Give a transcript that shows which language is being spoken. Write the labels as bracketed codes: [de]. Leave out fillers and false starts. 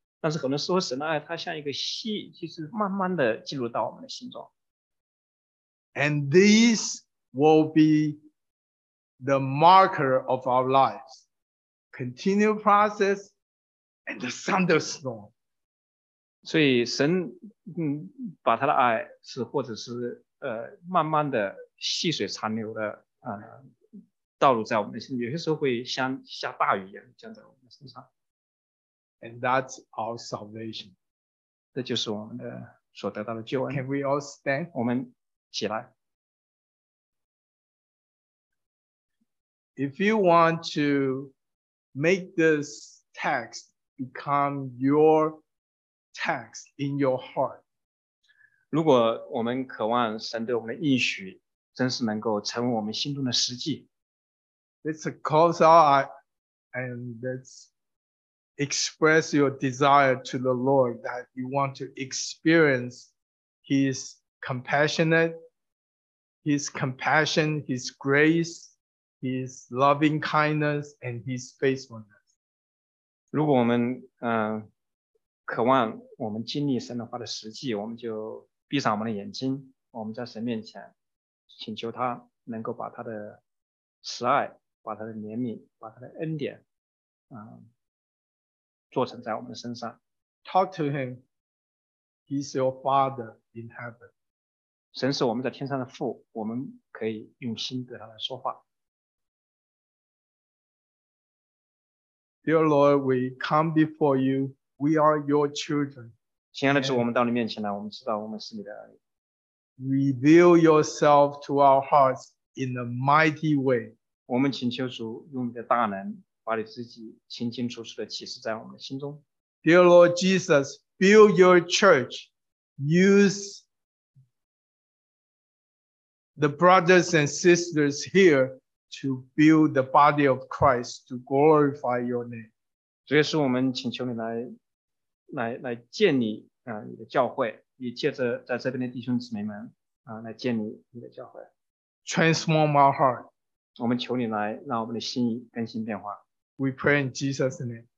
[zh] 但是很多时候神的爱它像一个戏，就是慢慢的进入到我们的心中。 [en] And these will be the marker of our lives. Continual process and the thunderstorm. [zh] 所以神把他的爱是或者是慢慢的细水长流的道路在我们的心，有些时候会像下大雨一样降在我们的身上。 [en] And that's our salvation. [zh] 这就是我们的所得到的救恩。 [en] Can we all stand? [zh] 我们起来。 [en] If you want to make this text become your text in your heart, [zh] 如果我们渴望神对我们的应许真是能够成为我们心中的实际。 [en] Let's close our eyes and let's express your desire to the Lord that you want to experience His compassionate, His compassion, His grace, His loving kindness, and His faithfulness. [zh] 如果我们渴望我们经历神的话的实际，我们就闭上我们的眼睛，我们在神面前请求他能够把他的慈爱，把他的怜悯，把他的恩典做成在我们身上。 [en] Talk to him. He's your father in heaven. [zh] 神是我们在天上的父，我们可以用心对他来说话。 [en] Dear Lord, we come before you. We are your children. [zh] 亲爱的主，我们到你面前来，我们知道我们是你的儿女。 [en] Reveal yourself to our hearts in a mighty way. [zh] 我们请求主用你的大能把你自己清清楚楚的启示在我们的心中。 [en] Dear Lord Jesus, build your church. Use the brothers and sisters here to build the body of Christ to glorify your name. [zh] 主耶稣，我们请求你来建立你的教会，也借着在这边的弟兄姊妹们来建立你的教会。 [en] Transform our heart. [zh] 我们求你来让我们的心意更新变化。 [en] We pray in Jesus' name.